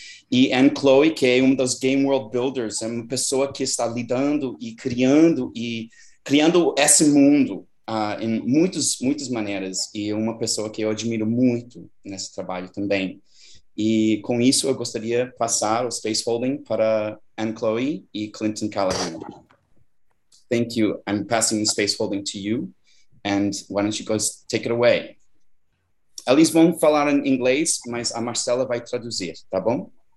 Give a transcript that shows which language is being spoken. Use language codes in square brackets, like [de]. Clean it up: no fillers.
[pt] E Anne Chloe, que é uma das Game World Builders, é uma pessoa que está lidando e criando criando esse mundo em muitas, muitas maneiras, e uma pessoa que eu admiro muito nesse trabalho também. E com isso eu gostaria de passar o space holding para Anne Chloe e Clinton Callahan. [en] Thank you. I'm passing the space holding to you. And why don't you go take it away? [pt] Eles vão falar em inglês, mas a Marcela vai traduzir, tá bom?